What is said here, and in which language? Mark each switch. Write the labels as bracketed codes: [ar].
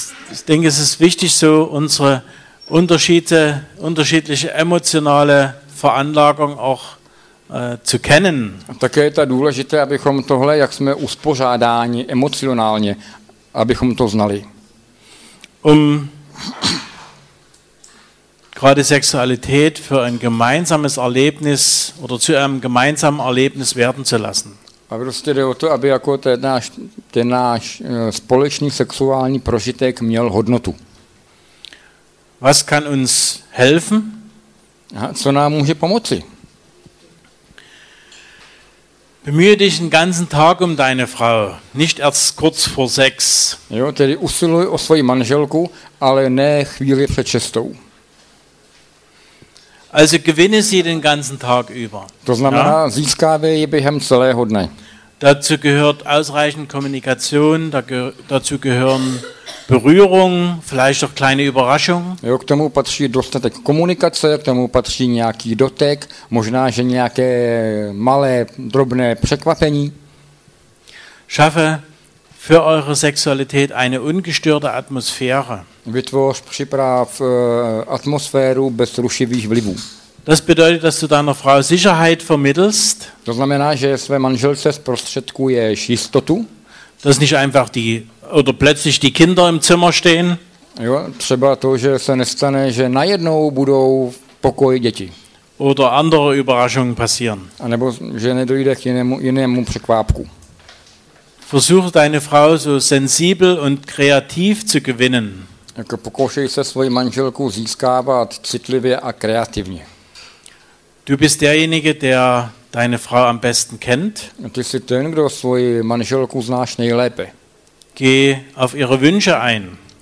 [de] Ich denke, es ist wichtig, so unsere unterschiedliche emotionale Veranlagung auch zu kennen. [cs] A také je to důležité, abychom tohle, jak jsme uspořádáni emocionálně, abychom to znali. [de] Gerade Sexualität für ein gemeinsames Erlebnis oder zu einem gemeinsamen Erlebnis werden zu lassen. [cs] A prostě jde o to, aby jako ten náš společný sexuální prožitek měl hodnotu. [de] Was kann uns helfen? [cs] Co nám může pomoci? [de] Bemühe dich den ganzen Tag um deine Frau, nicht erst kurz vor sechs. [cs] Jo, tedy usiluj o svoji manželku, ale ne chvíli před šestou. [de] Also gewinne sie den ganzen Tag über. [cs] To znamená, získávej je během celého dne. [de] Dazu gehört ausreichend Kommunikation, dazu gehören Berührung, vielleicht auch kleine Überraschung. [cs] Jo, k tomu patří dostatek komunikace, k tomu patří nějaký dotek, možná že nějaké malé drobné překvapení. [de] Schaffe für eure Sexualität eine ungestörte Atmosphäre. [cs] Vytvoř, připrav atmosféru bez rušivých vlivů. [de] Das bedeutet, dass du deiner Frau Sicherheit vermittelst. [cs] To znamená, že své manželce zprostředkuješ jistotu. [de] Dass nicht einfach die oder plötzlich die Kinder im Zimmer stehen. [cs] Jo, třeba to, že se nestane, že najednou budou v pokoji děti. [de] Oder andere Überraschungen passieren. [cs] A nebo že nedojde k jinému překvápku. [de] Versuch deine Frau so sensibel und kreativ zu gewinnen. [cs] Jako pokoušej se svoji manželku získávat citlivě a kreativně. [de] Du bist derjenige, der deine Frau am besten kennt. [cs] Ty jsi ten, kdo svoji manželku znáš nejlépe. [de] Geh auf ihre Wünsche ein.